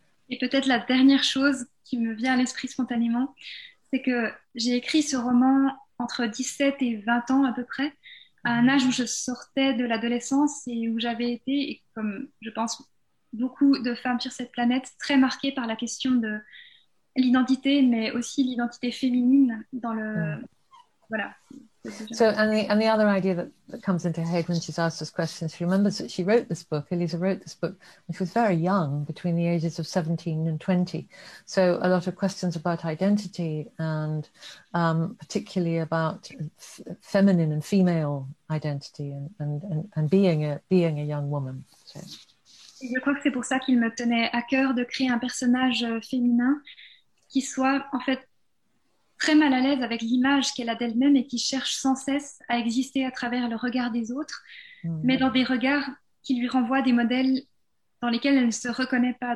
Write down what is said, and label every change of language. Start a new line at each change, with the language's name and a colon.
French: Et peut-être la dernière chose qui me vient à l'esprit spontanément, c'est que j'ai écrit ce roman entre 17 et 20 ans à peu près, à un âge où je sortais de l'adolescence et où j'avais été, comme je pense beaucoup de femmes sur cette planète, très marquée par la question de l'identité, mais aussi l'identité féminine dans le... Mm. Voilà.
English: So, and the other idea that comes into her head when she's asked this question, she remembers that she wrote this book, Elisa wrote this book, when she was very young, between the ages of 17 and 20. So a lot of questions about identity, and particularly about feminine and female identity, and being a young woman. So.
French: Je crois que c'est pour ça qu'il me tenait à cœur de créer un personnage féminin qui soit, en fait, très mal à l'aise avec l'image qu'elle a d'elle-même et qui cherche sans cesse à exister à travers le regard des autres, mm. mais dans des regards qui lui renvoient des modèles dans lesquels elle ne se reconnaît pas.